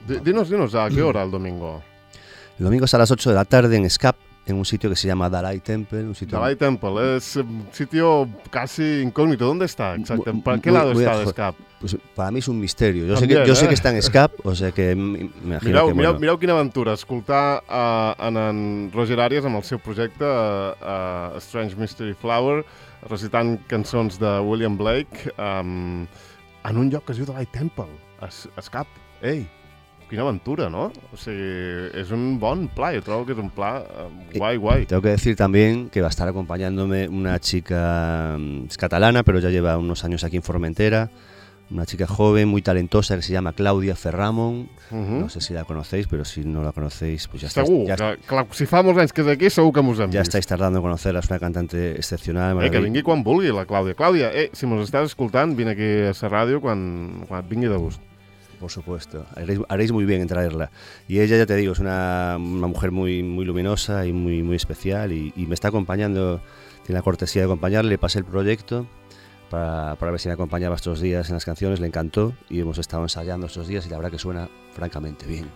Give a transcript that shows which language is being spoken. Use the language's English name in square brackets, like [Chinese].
[Spanish] Dinos, ¿a qué hora el domingo? El domingo es a las 8 de la tarde en SCAP, en un sitio que se llama Dalai Temple. Dalai Temple, es un sitio casi incógnito. ¿Dónde está exactamente? ¿Para qué lado está de SCAP? Pues para mí es un misterio. Sé que está en SCAP, o sea que me imagino [Catalan] mirau, que... Mirau, bueno. Mirau quina aventura, escoltar a en Roger Arias amb el seu projecte a Strange Mystery Flower, recitant cançons de William Blake, en un lloc que es diu Dalai Temple, SCAP. Ei, quina aventura, no? O sigui, és un bon pla, jo trobo que és un pla guai. [Spanish] Tengo que decir también que va a estar acompañándome una chica catalana, pero ya lleva unos años aquí en Formentera, una chica joven, muy talentosa, que se llama Claudia Ferramón. No sé si la conocéis, pero si no la conocéis, pues ya está. [Catalan] Segur, ya que si fa molts anys que és aquí, segur que mos hem vist. [Spanish] Ya estáis tardando en conocerla, es una cantante excepcional. [Catalan] Que vingui quan vulgui, la Claudia. Claudia, si mos estàs escoltant, vine aquí a la ràdio quan vingui de gust. [Spanish] Por supuesto, haréis muy bien en traerla. Y ella, ya te digo, es una mujer muy, muy luminosa y muy, muy especial. Y me está acompañando, tiene la cortesía de acompañarle, pasé el proyecto para ver si me acompañaba estos días en las canciones. Le encantó y hemos estado ensayando estos días y la verdad que suena francamente bien.